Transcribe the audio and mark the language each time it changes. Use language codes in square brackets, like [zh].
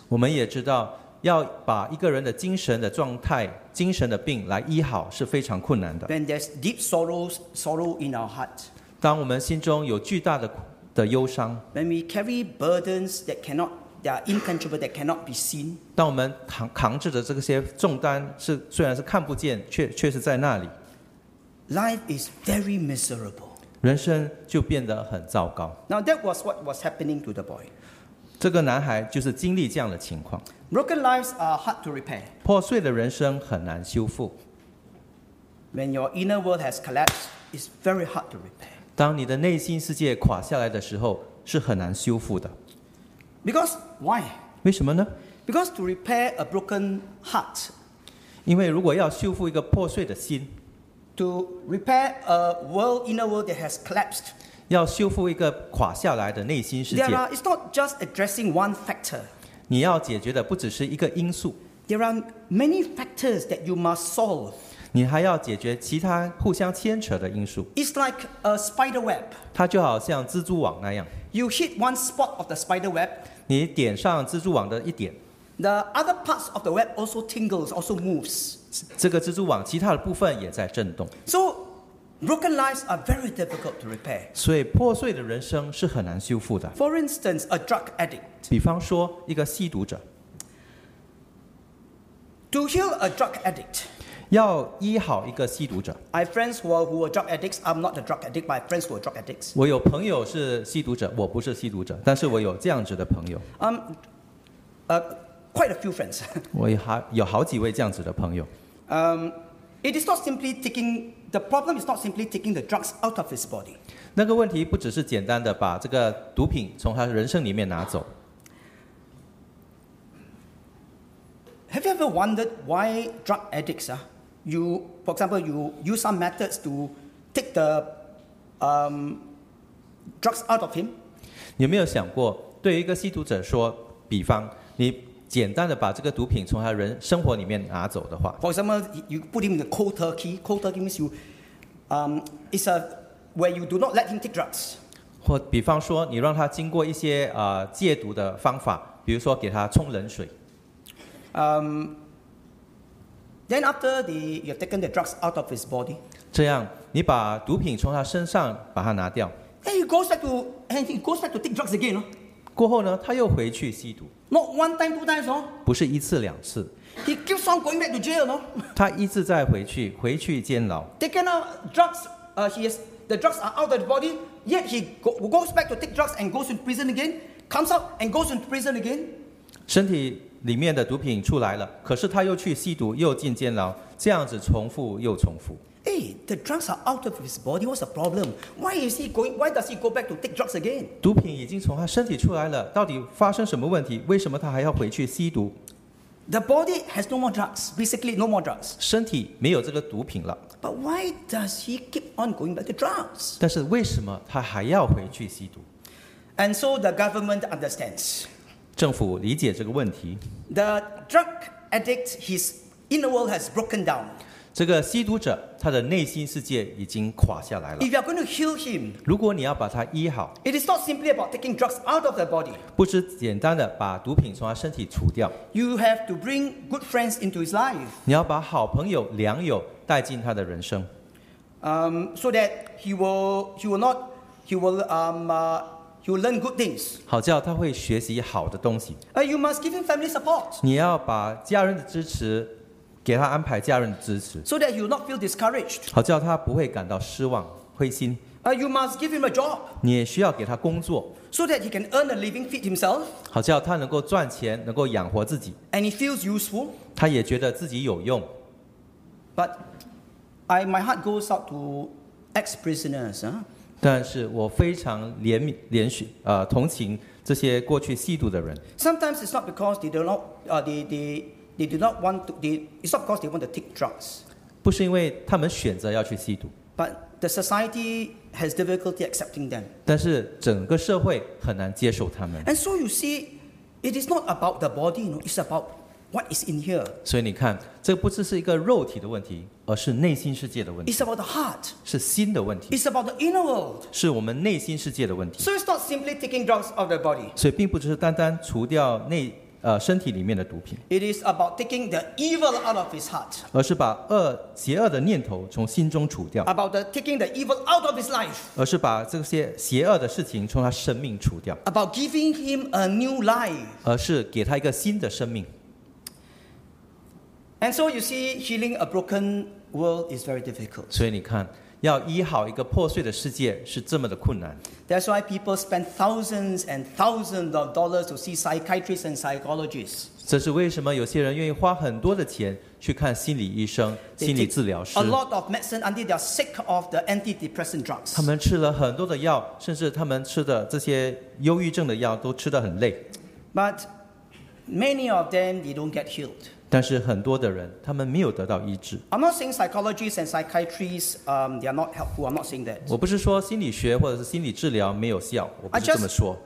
[zh] 我们也知道，要把一个人的精神的状态、精神的病来医好是非常困难的。 [en] When there's deep sorrow in our heart, [zh] 当我们心中有巨大的苦。 [en] When we carry burdens that are intangible, that cannot be seen. [zh] 当我们扛着的这些重担是虽然是看不见，却是在那里。 [en] Life is very miserable. [zh] 人生就变得很糟糕。 [en] Now that was what was happening to the boy. [zh] 这个男孩就是经历这样的情况。 [en] Broken lives are hard to repair. [zh] 破碎的人生很难修复。 [en] When your inner world has collapsed, it's very hard to repair. [zh] 当你的内心世界垮下来的时候，是很难修复的。 [en] Because why? [zh] 为什么呢 [en] ？Because to repair a broken heart. [zh] 因为如果要修复一个破碎的心 [en] ，to repair a world inner world that has collapsed. [zh] 要修复一个垮下来的内心世界 [en] ，there are it's not just addressing one factor. [zh] 你要解决的不只是一个因素 [en] ，there are many factors that you must solve. [zh] 你还要解决其他互相牵扯的因素。 [en] It's like a spider web. [zh] 它就好像蜘蛛网那样。 [en] You hit one spot of the spider web. [zh] 你点上蜘蛛网的一点。 [en] The other parts of the web also tingles, also moves. [zh] 这个蜘蛛网其他的部分也在震动。 [en] So broken lives are very difficult to repair. [zh] 所以破碎的人生是很难修复的。 [en] For instance, a drug addict. [zh] 比方说一个吸毒者。 [en] To heal a drug addict. [zh] 要医好一个吸毒者。 [en] I have friends who are drug addicts. I'm not a drug addict, but I have friends who are drug addicts. [zh] 我有朋友是吸毒者，我不是吸毒者，但是我有这样子的朋友。 [en] Quite a few friends. [zh] 我有好几位这样子的朋友。 [en] It is not simply taking the problem. Is not simply taking the drugs out of his body. [zh] 那个问题不只是简单的把这个毒品从他人生里面拿走。 [en] Have you ever wondered why drug addicts, for example, you use some methods to take the drugs out of him? [zh] 你有没有想过，对于一个吸毒者说，比方你简单的把这个毒品从他人生活里面拿走的话 [en] ？For example, you put him in a cold turkey. Cold turkey means it's a where you do not let him take drugs. [zh] 或比方说，你让他经过一些戒毒的方法，比如说给他冲冷水。 [en] Then after you have taken the drugs out of his body, [zh] 这样你把毒品从他身上把它拿掉。 [en] Then he goes back to take drugs again. [zh] 过后呢，他又回去吸毒。 [en] Not one time, two times, [zh] 不是一次两次。 [en] He keeps on going back to jail, [zh] 他一直在回去监牢。 [en] Taken out drugs, the drugs are out of the body. Yet he goes back to take drugs and goes to prison again. Comes out and goes to prison again. [zh] 身体里面的毒品出来了，可是他又去吸毒，又进监牢，这样子重复又重复。 [en] Hey, the drugs are out of his body. What's the problem? Why is he going? Why does he go back to take drugs again? [zh] 毒品已经从他身体出来了，到底发生什么问题？为什么他还要回去吸毒 [en] ？The body has no more drugs. Basically, no more drugs. [zh] 身体没有这个毒品了。 [en] But why does he keep on going back to drugs? [zh] 但是为什么他还要回去吸毒 [en] ？And so the government understands. [zh] 政府理解这个问题。 [en] The drug addict, his inner world has broken down. [zh] 这个吸毒者，他的内心世界已经垮下来了。 [en] If you are going to heal him, [zh] 如果你要把他医好 [en] ，It is not simply about taking drugs out of the body. [zh] 不是简单的把毒品从他身体除掉。 [en] You have to bring good friends into his life. [zh] 你要把好朋友、良友带进他的人生。 [en] So that he will learn good things. [zh] 好叫他会学习好的东西。 [en] You must give him family support. [zh] 你要把家人的支持。给他安排家人的支持 [en] ，so that he will not feel discouraged. [zh] 好叫他不会感到失望、灰心。 [en] You must give him a job. [zh] 你也需要给他工作 [en] ，so that he can earn a living, feed himself. [zh] 好叫他能够赚钱，能够养活自己。 [en] And he feels useful. [zh] 他也觉得自己有用。 [en] But my heart goes out to ex-prisoners. [zh] 但是我非常同情这些过去吸毒的人。 [en] Sometimes it's not because they do not they do not want to. It's not because they want to take drugs. [zh] 不是因为他们选择要去吸毒。 [en] But the society has difficulty accepting them. [zh] 但是整个社会很难接受他们。 [en] And so you see, it is not about the body. No, it's about what is in here. [zh] 所以你看，这不只是一个肉体的问题，而是内心世界的问题。 [en] It's about the heart. [zh] 是心的问题。 [en] It's about the inner world. [zh] 是我们内心世界的问题。 [en] So it's not simply taking drugs out of the body. [zh] 所以并不只是单单除掉内。身体里面的毒品。 [en] It is about taking the evil out of his heart. [zh] 而是把邪恶的念头从心中除掉。 [en] About taking the evil out of his life. [zh] 而是把这些邪恶的事情从他生命除掉。 [en] About giving him a new life. [zh] 而是给他一个新的生命。 [en] And so you see, healing a broken world is very difficult. [zh] 所以你看，要医好一个破碎的世界是这么的困难。 [en] That's why people spend thousands and thousands of dollars to see psychiatrists and psychologists. [zh] 这是为什么有些人愿意花很多的钱去看心理医生、心理治疗师。 [en] A lot of medicine until they are sick of the antidepressant drugs. [zh] 他们吃了很多的药，甚至他们吃的这些忧郁症的药都吃得很累。 [en] But many of them, they don't get healed. [zh] 但是很多的人，他们没有得到医治。 [en] I'm not saying psychologists and psychiatrists, they are not helpful. I'm not saying that. [zh] 我不是说心理学或者是心理治疗没有效，我不是这么说。